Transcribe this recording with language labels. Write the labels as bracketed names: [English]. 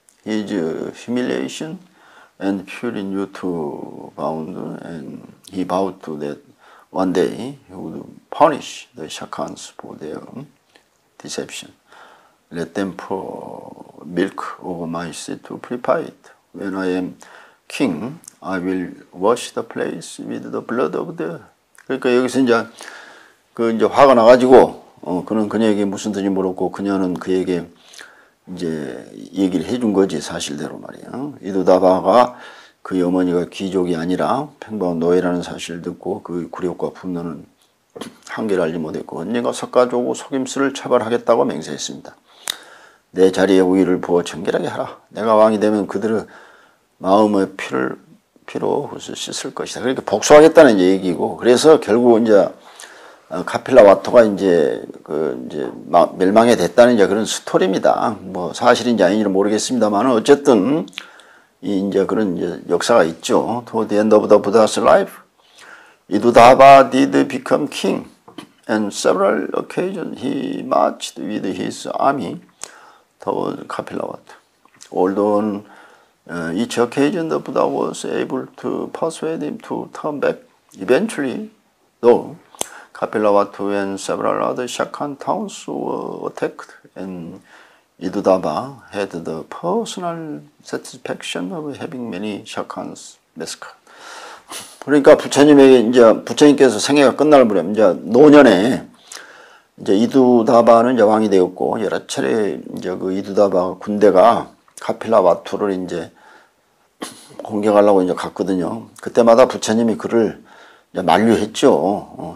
[English] His humiliation and fury knew to bound, and he vowed to that one day he would punish the Shakhans for their deception. Let them pour milk over my seat to prepare it. When I am king, I will wash the place with the blood of the. [Korean] 그러니까 여기서 이제 그 이제 화가 나가지고 그는 그녀에게 무슨 뜻인지 물었고 그녀는 그에게 이제 얘기를 해준 거지, 사실대로 말이야. 이도다바가 그의 어머니가 귀족이 아니라 평범한 노예라는 사실을 듣고 그 굴욕과 분노는 한계를 알지 못했고 언젠가 석가족의 속임수를 처벌하겠다고 맹세했습니다. 내 자리에 우위를 부어 청결하게 하라. 내가 왕이 되면 그들의 마음의 피로 씻을 것이다. 그러니까 복수하겠다는 얘기고, 그래서 결국 이제 카필라 와토가 이제 멸망이 됐다는 이제 그런 스토리입니다. 뭐 사실인지 아닌지는 모르겠습니다만 어쨌든 이제 그런 이제 역사가 있죠. [English] Toward the end of the Buddha's life, Iddhava did become king, and several occasions he marched with his army toward Kapilavata. Although on each occasion the Buddha was able to persuade him to turn back, eventually, though, Kapilavata and several other Shakan towns were attacked, and Iddhava had the personal satisfaction of having many Shakans massacred. [Korean] 그러니까 부처님에게 이제 부처님께서 생애가 끝날 무렵 이제 노년에 이제 이두다바는 이제 왕이 되었고 여러 차례 이제 그 이두다바 군대가 카필라와투를 이제 공격하려고 이제 갔거든요. 그때마다 부처님이 그를 이제 만류했죠.